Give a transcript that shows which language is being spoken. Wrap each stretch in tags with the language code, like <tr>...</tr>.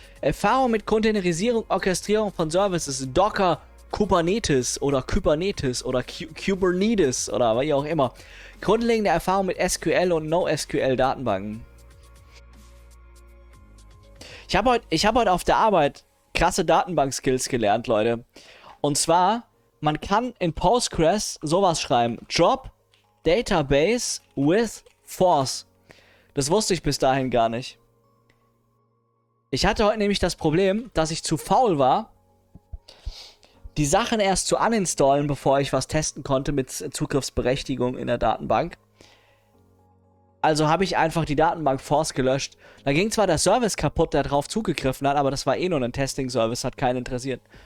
<de>Erfahrung mit Containerisierung, Orchestrierung von Services, Docker, Kubernetes oder Kubernetes oder wie auch immer. Grundlegende Erfahrung mit SQL und NoSQL-Datenbanken. Ich hab heute auf der Arbeit krasse Datenbank-Skills gelernt, Leute. Und zwar, man kann in Postgres sowas schreiben.</de> <en>Drop database with force.</en> <de>Das wusste ich bis dahin gar nicht. Ich hatte heute nämlich das Problem, dass ich zu faul war, die Sachen erst zu uninstallen, bevor ich was testen konnte mit Zugriffsberechtigung in der Datenbank. Also habe ich einfach die Datenbank force gelöscht. Da ging zwar der Service kaputt, der drauf zugegriffen hat, aber das war eh nur ein Testing-Service, hat keinen interessiert.</de>